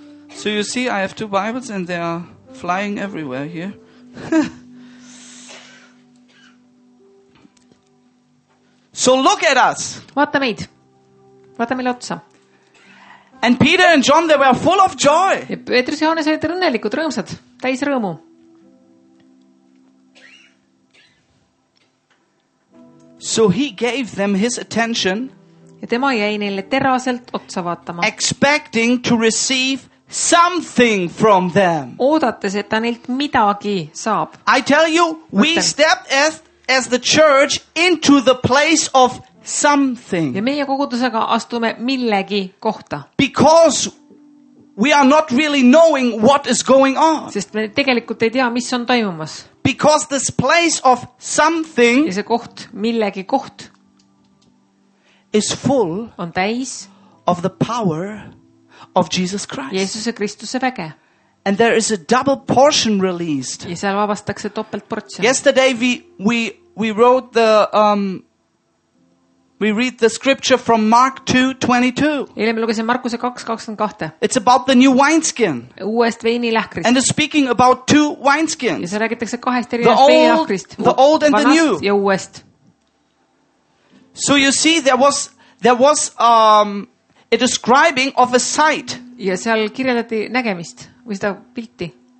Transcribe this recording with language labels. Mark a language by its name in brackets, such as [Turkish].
[English] So you see, I have two Bibles and they are flying everywhere here. So look at us. [Estonian] Vaata meid. Vaata meile otsa. [English] And Peter and John, they were full of joy. [Estonian] Ja Peetrus ja Johannes olid rõnnelikud, rõõmsad, täis rõõmu. [English] So he gave them his attention. [Estonian] Ja tema jäi neile teraselt otsa vaatama. [English] Expecting to receive something from them. [Estonian] Oodates, et ta neilt midagi saab. [English] I tell you, we step as the church into the place of something. [Estonian] Ja meie kogudusega astume millegi kohta. [English] Because we are not really knowing what is going on. [Estonian] Sest me tegelikult ei tea, mis on toimumas. [English] Because this place of something [Estonian] ja see koht, millegi koht, [English] is full [Estonian] on täis [English] of the power of Jesus Christ. [Estonian] Jeesuse Kristuse väge. [English] And there is a double portion released. [Estonian] Ja seal vabastakse topelt portsioon. [English] Yesterday we wrote the we read the scripture from Mark 2:22. [Estonian] Eile me lugesin Markuse 2:22. [English] It's about the new wineskin. [Estonian] Uuest veinilahkrist. [English] And it's speaking about two wineskins. [Estonian] Ja see räägitakse kahest erinevast veinilahkrist. [English] The old and the new. [Estonian] Ja uuest. [English] So you see there was a describing of a sight. [Estonian] Ja seal kirjeldati nägemist või seda pilti.